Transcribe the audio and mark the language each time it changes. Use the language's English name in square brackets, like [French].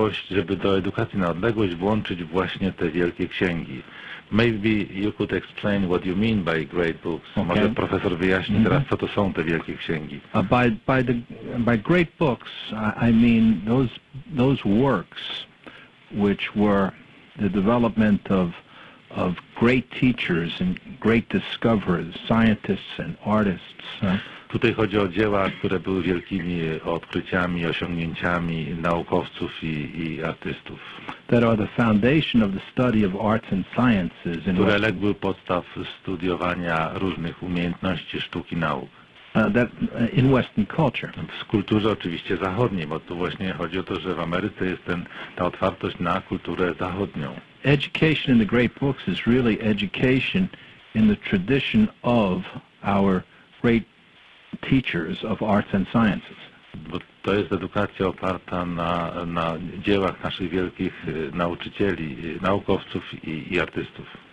[Polish] Żeby do edukacji na odległość włączyć właśnie te wielkie księgi. [English] Maybe you could explain what you mean by great books. Okay. [Polish] Może profesor wyjaśni teraz, co to są te wielkie księgi. [English] By great books, I mean those works which were the development of of great teachers and great discoverers, scientists and artists. [Polish] Tutaj chodzi o dzieła, które były wielkimi odkryciami, osiągnięciami naukowców i artystów. [English] That are the foundation of the study of arts and sciences. [Polish] Które legły podstaw studiowania różnych umiejętności sztuki nauk. [English] In Western culture. [Polish] W kulturze oczywiście zachodniej, bo tu właśnie chodzi o to, że w Ameryce jest ta otwartość na kulturę zachodnią. [English] Education in the great books is really education in the tradition of our great teachers of arts and sciences. [Polish] Bo to jest edukacja oparta na dziełach naszych wielkich nauczycieli, naukowców i artystów.